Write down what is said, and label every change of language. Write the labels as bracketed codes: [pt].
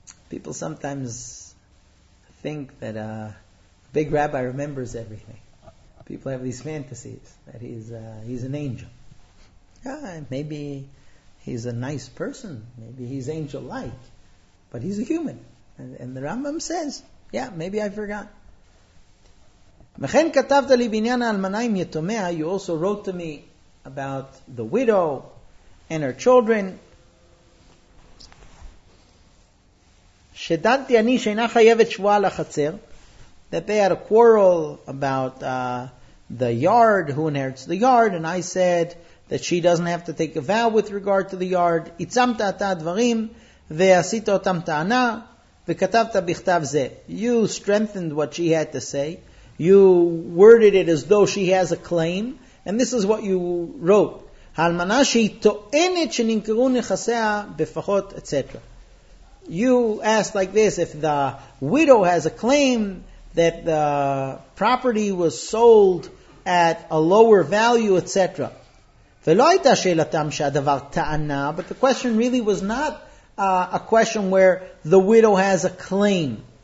[en] People sometimes think that a big rabbi remembers everything. People have these fantasies that he's an angel. Yeah, maybe he's a nice person. Maybe he's angel-like. But he's a human. And the Rambam says, yeah, maybe I forgot. [he] מכן כתבת לי בעניין האלמנה עם יתומיה. [en] You also wrote to me about the widow and her children. [he] שדנתי אני שאינה חייבת שבועה לחצר, [en] that they had a quarrel about the yard, who inherits the yard, and I said that she doesn't have to take a vow with regard to the yard. [he] עיצמת אתה הדברים, ועשית אותם טענה, וכתבת בכתב זה. [en] You strengthened what she had to say. You worded it as though she has a claim. And this is what you wrote. [he] האלמנה שהיא טוענת שנמכרו נכסיה בפחות, etc. [en] You ask like this, if the widow has a claim that the property was sold at a lower value, etc. [he] ולא הייתה שאלתם שהדבר טענה, [en] but the question really was not a question where the widow has a claim.